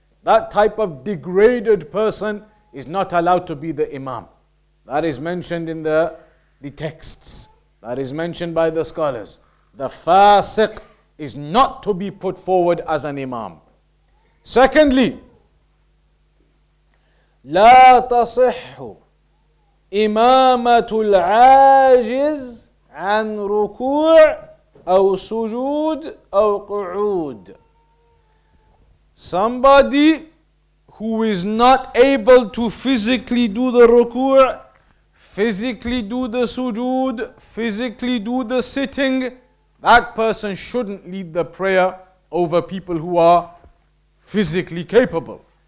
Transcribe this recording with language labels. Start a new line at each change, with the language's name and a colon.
English: That type of degraded person is not allowed to be the imam. That is mentioned in the texts. That is mentioned by the scholars. The fasiq is not to be put forward as an imam. Secondly,
Arabic: لا تصح إمامة العاجز عن ركوع أو سجود أو قعود.
English: Somebody who is not able to physically do the ruku', physically do the sujood, physically do the sitting, that person shouldn't lead the prayer over people who are physically capable.